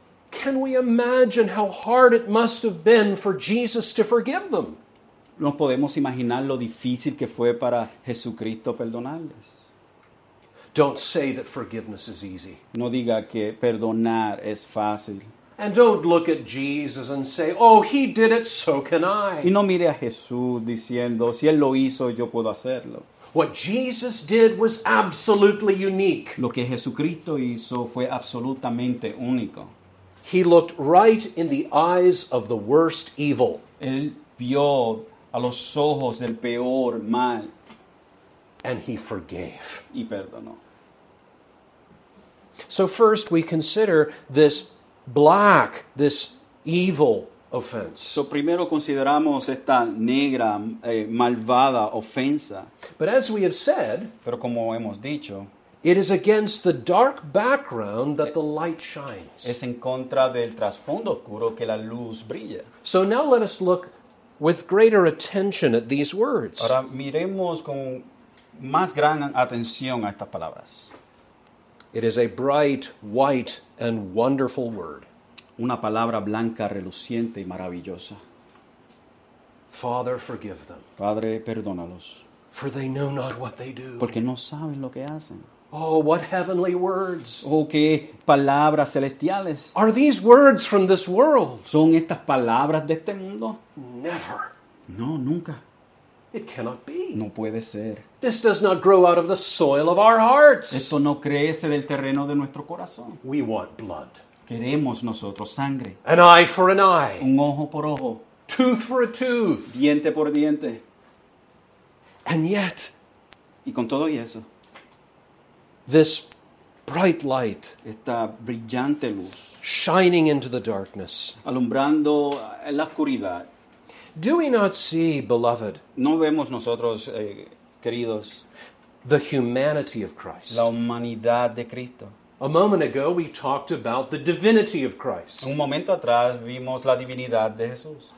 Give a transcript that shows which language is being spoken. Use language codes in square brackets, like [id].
[en] Can we imagine how hard it must have been for Jesus to forgive them? [es] ¿No podemos imaginar lo difícil que fue para Jesucristo perdonarles? [en] Don't say that forgiveness is easy. [es] No diga que perdonar es fácil. [en] And don't look at Jesus and say, oh, he did it, so can I. [es] Y no mire a Jesús diciendo, si él lo hizo, yo puedo hacerlo. [en] What Jesus did was absolutely unique. [es] Lo que Jesucristo hizo fue absolutamente único. [en] He looked right in the eyes of the worst evil. [es] Él vio a los ojos del peor mal. [en] And he forgave. [es] Y perdonó. [en] So first we consider this black, this evil offense. [es] So primero consideramos esta negra, malvada ofensa. [en] But as we have said, [es] pero como hemos dicho, [en] it is against the dark background that the light shines. [es] Es en contra del trasfondo oscuro que la luz brilla. [en] So now let us look with greater attention at these words. [es] Ahora miremos con más gran atención a estas palabras. [en] It is a bright, white, and wonderful word. [es] Una palabra blanca, reluciente y maravillosa. [en] Father, forgive them. [es] Padre, perdónalos. [en] For they know not what they do. [es] Porque no saben lo que hacen. [en] Oh, what heavenly words. [es] Oh, qué palabras celestiales. [en] Are these words from this world? [es] ¿Son estas palabras de este mundo? [en] Never. [es] No, nunca. [en] It cannot be. [es] No puede ser. [en] This does not grow out of the soil of our hearts. [es] Esto no crece del terreno de nuestro corazón. [en] We want blood. [es] Queremos nosotros sangre. [en] An eye for an eye. [es] Un ojo por ojo. [en] Tooth for a tooth. [es] Diente por diente. [en] And yet, [es] y con todo y eso, [en] this bright light, [es] esta brillante luz, [en] shining into the darkness, [es] alumbrando en la oscuridad. [en] Do we not see, beloved, [es] no vemos nosotros, queridos, [en] the humanity of Christ? [es] La humanidad de Cristo. [en] A moment ago we talked about the divinity of Christ. [es] Un momento atrás vimos la divinidad de Jesús.